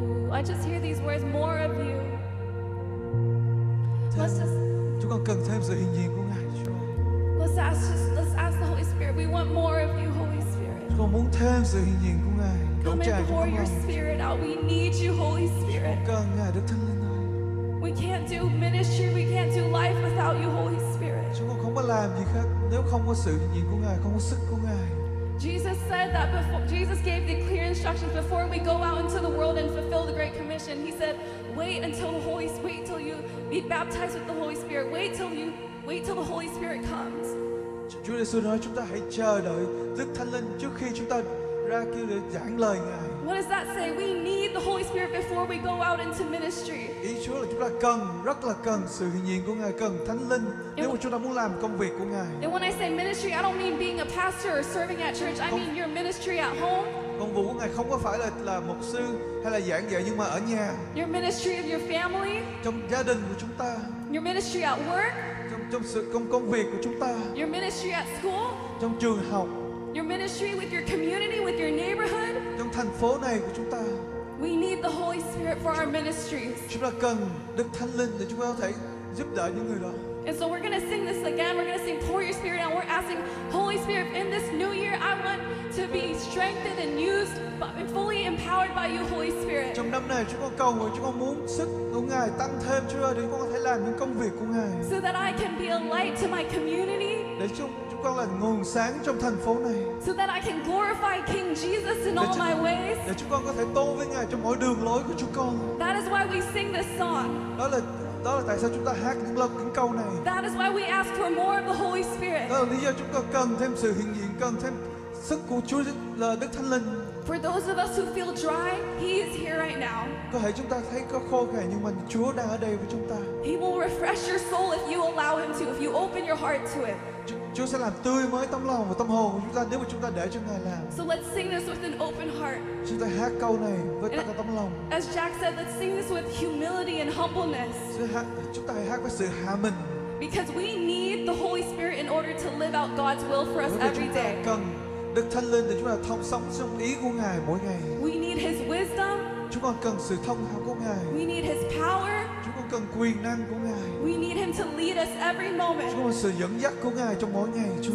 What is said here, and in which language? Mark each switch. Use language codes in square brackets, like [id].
[en] Let's just hear these words, more of you. [vi] Chúng con cần thêm sự hiện diện của Ngài, Chúa. [en] Let's ask the Holy Spirit. We want more of you, Holy Spirit. [vi] Chúng con muốn thêm sự hiện diện của Ngài. [en] Come and pour your Spirit out. We need you, Holy Spirit. [vi] Chúng con cần Ngài, Đức Thánh Linh ơi. [en] We can't do ministry. We can't do life without you, Holy Spirit. [vi] Chúng con không có làm gì khác nếu không có sự hiện diện của Ngài, không có sức của Ngài. [en] Jesus said that before. Jesus gave the clear instructions before we go out into the world and fulfill the Great Commission. He said, "Wait until the Holy Spirit. Wait till you be baptized with the Holy Spirit. Wait till the Holy Spirit comes." [vi] Chúa Giêsu nói chúng ta hãy chờ đợi Đức Thánh Linh trước khi chúng ta ra kêu để giảng lời Ngài. [en] What does that say? We need the Holy Spirit before we go out into ministry. [vi] Ý Chúa là chúng ta cần, rất là cần sự hiện diện của Ngài, cần Thánh Linh nếu mà chúng ta muốn làm công việc của Ngài. [en] And when I say ministry, I don't mean being a pastor or serving at church. I mean your ministry at home. [vi] Công vụ của Ngài không có phải là mục sư hay là giảng dạy, nhưng mà ở nhà. [en] Your ministry of your family. [vi] Trong gia đình của chúng ta. [en] Your ministry at work. [vi] Trong sự công việc của chúng ta. [en] Your ministry at school. [vi] Trong trường học. [en] Your ministry with your community, with your neighborhood. [vi] Trong thành phố này của chúng ta. [en] We need the Holy Spirit for our ministries. [vi] Chúng ta cần Đức Thánh Linh để chúng ta có thể giúp đỡ những người đó. [en] And so we're going to sing this again. We're going to sing Pour Your Spirit Out. We're asking Holy Spirit, in this new year, I want to be strengthened and used and fully empowered by you, Holy Spirit. [vi] Trong năm này chúng con cầu nguyện, chúng con muốn sức của Ngài tăng thêm, Chúa, để chúng con có thể làm những công việc của Ngài. [en] So that I can be a light to my community. [vi] Để chúng con là nguồn sáng trong thành phố này. [en] So that I can glorify King Jesus in all my ways. [vi] Để chúng con có thể tôn vinh Ngài trong mọi đường lối của chúng con. [en] That is why we sing this song. [vi] Đó là tại sao chúng ta hát những câu này. [en] That is why we ask for more of the Holy Spirit. [vi] Đó là lý do chúng con cần thêm sự hiện diện, cần thêm sức của Chúa là Đức Thánh Linh. [en] For those of us who feel dry, He is here right now. [vi] Có thể chúng ta thấy có khô khan, nhưng mà Chúa đang ở đây với chúng ta. [en] He will refresh your soul if you allow Him to, if you open your heart to it. [vi] Chúa sẽ làm tươi mới tâm lòng và tâm hồn của chúng ta nếu mà chúng ta để cho Ngài làm. [en] So let's sing this with an open heart. [vi] Chúng ta hát câu này với tất cả tâm lòng. [en] As Jack said, let's sing this with humility and humbleness. [vi] Chúng ta hãy hát với sự hạ mình. [en] Because we need the Holy Spirit in order to live out God's will for us every day. [vi] Cần Đức Thánh Linh để chúng ta thông sống trong ý của Ngài mỗi ngày. [en] We need His wisdom. [vi] Chúng con cần sự thông hiểu của Ngài. [en] We need His power. [vi] Chúng con cần quyền năng của Ngài. [en] We need Him to lead us every moment. [vi] Chúng con cần sự dẫn dắt của Ngài trong mỗi ngày, Chúa.